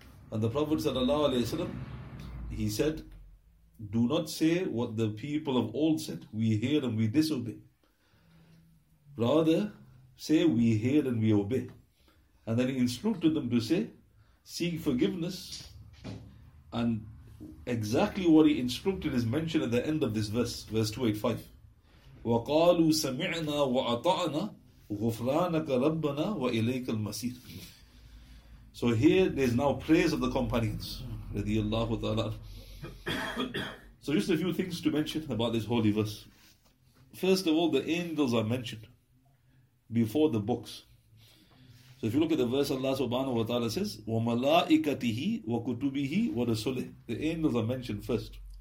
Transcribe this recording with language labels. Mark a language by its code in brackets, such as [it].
[en] And the Prophet sallallahu alaihi wasallam, he said, do not say what the people of old said, we hear and we disobey. Rather, say we hear and we obey. And then he instructed them to say, seek forgiveness, and exactly what he instructed is mentioned at the end of this verse, verse 285. [ar] وَقَالُوا سَمِعْنَا وَأَطَعْنَا غُفْرَانَكَ رَبَّنَا وَإِلَيْكَ الْمَصِيرُ [en] So here there is now praise of the companions, [ar] رضي الله تعالى. [en] So just a few things to mention about this holy verse. First of all, the angels are mentioned before the books. So if you look at the verse, Allah subhanahu wa ta'ala says, [ar] وَمَلَائِكَتِهِ وَكُتُبِهِ وَرَسُولِهِ [en] The angels are mentioned first.